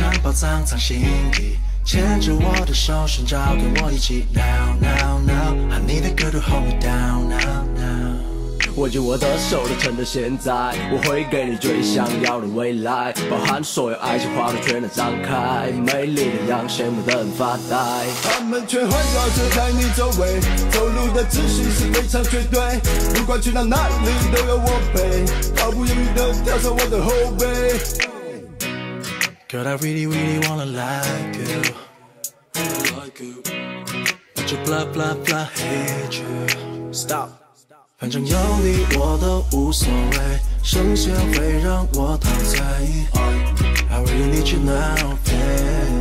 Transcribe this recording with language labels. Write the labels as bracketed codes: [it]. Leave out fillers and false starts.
[zh] 藏藏心底，牵着我的手，寻找跟我一起。 [en] Now, now, now, I need a girl to hold me down, now, now. [zh] 握紧我的手，都趁着现在，我会给你最想要的未来，包含所有爱情，花朵全都张开，美丽的羊，羡慕的人发呆。他们全环绕着在你周围，走路的姿势是非常绝对，不管去到哪里都有我陪，毫不犹豫的跳上我的后背。 [en] Girl, I really, really wanna like you, I like you, but you blah blah blah hate you. Stop. [zh] 反正有你我都无所谓，剩下会让我陶醉。 [en] I really need you now, babe.